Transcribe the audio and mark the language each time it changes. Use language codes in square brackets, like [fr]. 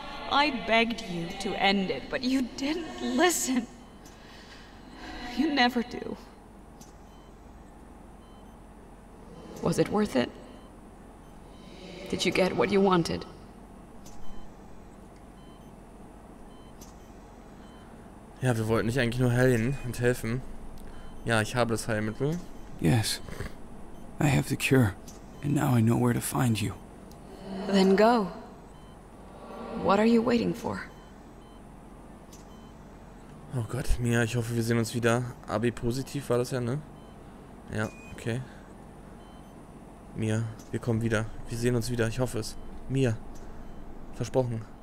[en] I begged you to end it, but you didn't listen. You never do. Was it worth it? Did you get what you wanted? [de] Ja, wir wollten dich eigentlich nur heilen und helfen. Ja, ich habe das Heilmittel. [en] Yes. I have the cure. And now I know where to find you. Then go. What are you waiting for? [de] Oh Gott, Mia, ich hoffe, wir sehen uns wieder. AB positiv war das ja, ne? Ja, okay. Mia, wir kommen wieder. Wir sehen uns wieder, ich hoffe es. Mia, versprochen.